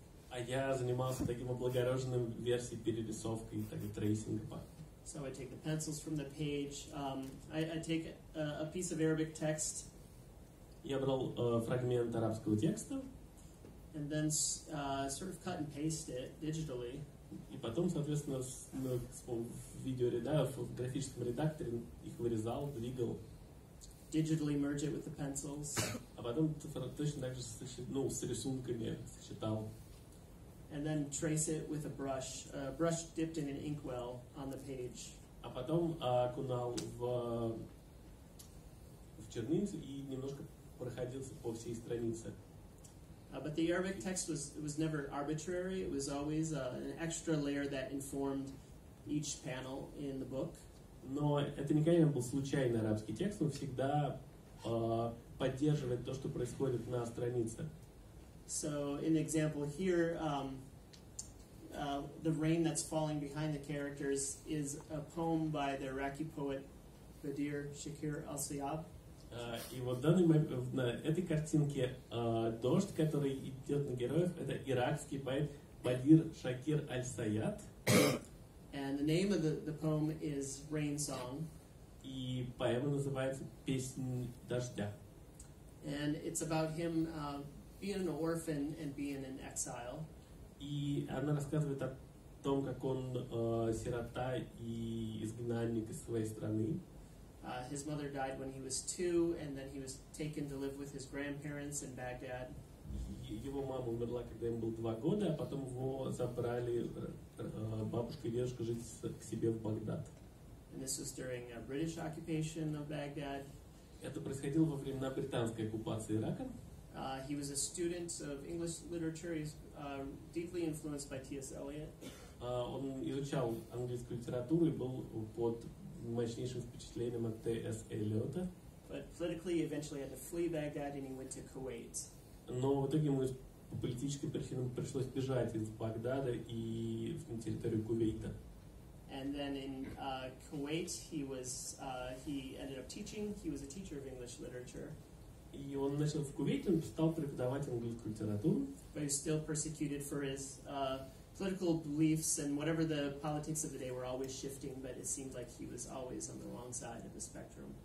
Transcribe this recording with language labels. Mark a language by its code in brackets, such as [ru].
[ru] А я занимался таким облагороженным версией перерисовкой, так и трейсинга. [en] So I take the pencils from the page. I take a piece of Arabic text. [ru] Я брал фрагмент арабского текста. [en] And then sort of cut and paste it digitally. [ru] И потом, соответственно, в графическом редакторе их вырезал, двигал. [en] Digitally merge it with the pencils. [ru] А потом точно так же с рисунками сочетал. [en] And then trace it with a brush dipped in an inkwell on the page. [ru] А потом окунал в чернильницу и немножко проходился по всей странице. [en] But the Arabic text was never arbitrary. It was always an extra layer that informed each panel in the book. [ru] Но это никогда не был случайный арабский текст. Он всегда поддерживает то, что происходит на странице. [en] So, in example here, the rain that's falling behind the characters is a poem by the Iraqi poet Badir Shakir Al-Siyab. [ru] И вот на этой картинке дождь, который идет на героев, это иракский поэт Бадир Шакир Аль-Саяд. [en] And the name of the poem is Rain Song. [ru] И поэма называется «Песнь дождя». [en] And it's about him being an orphan and being in exile. [ru] И она рассказывает о том, как он сирота и изгнанник из своей страны. [en] His mother died when he was 2, and then he was taken to live with his grandparents in Baghdad. [ru] Его мама умерла, когда ему было 2 года, а потом его забрали бабушка и дедушка жить к себе в Багдад. [en] And this was during a British occupation of Baghdad. [ru] Это происходило во времена британской оккупации Ирака. [en] He was a student of English literature. He's deeply influenced by T.S. Eliot. [ru] Он изучал английскую литературу и был под мощнейшим впечатлением от Т.С. Эллиота. [en] But politically, eventually had to flee Baghdad and he went to Kuwait. [ru] Но в итоге ему по политическим причинам пришлось бежать из Багдада и на территорию Кувейта. [en] And then in Kuwait he ended up teaching. He was a teacher of English literature. [ru] И он начал в Кувейте, он стал преподавать английскую литературу. [en] But he was still persecuted for his political beliefs and whatever the politics of the day were always shifting, but it seemed like he was always on the wrong side of the spectrum.